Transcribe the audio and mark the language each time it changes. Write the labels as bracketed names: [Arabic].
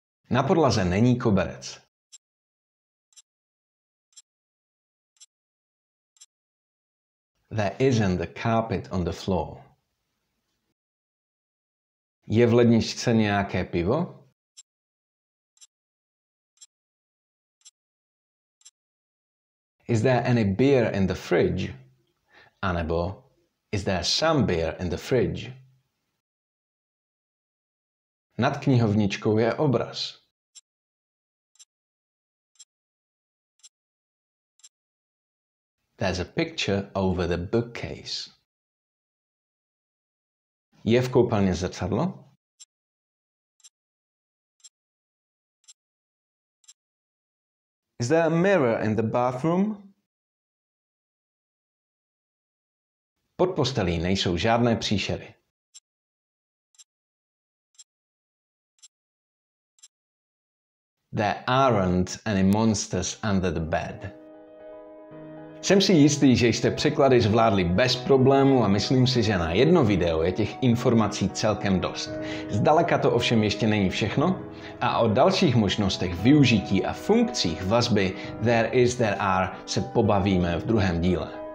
[Czech] Na podlaze není koberec. [English] There isn't a carpet on the floor. [Czech] Je v ledničce nějaké pivo? [English] Is there any beer in the fridge? [Czech] Anebo, [English] is there some beer in the fridge? [Czech] Nad knihovničkou je obraz. [English] There's a picture over the bookcase. [Czech] Je v koupelně zrcadlo? [English] Is there a mirror in the bathroom? [Czech] Pod postelí nejsou žádné příšery. [English] There aren't any monsters under the bed. [Czech] Jsem si jistý, že jste překlady zvládli bez problému a myslím si, že na jedno video je těch informací celkem dost. Zdaleka to ovšem ještě není všechno a o dalších možnostech využití a funkcích vazby there is, there are se pobavíme v druhém díle.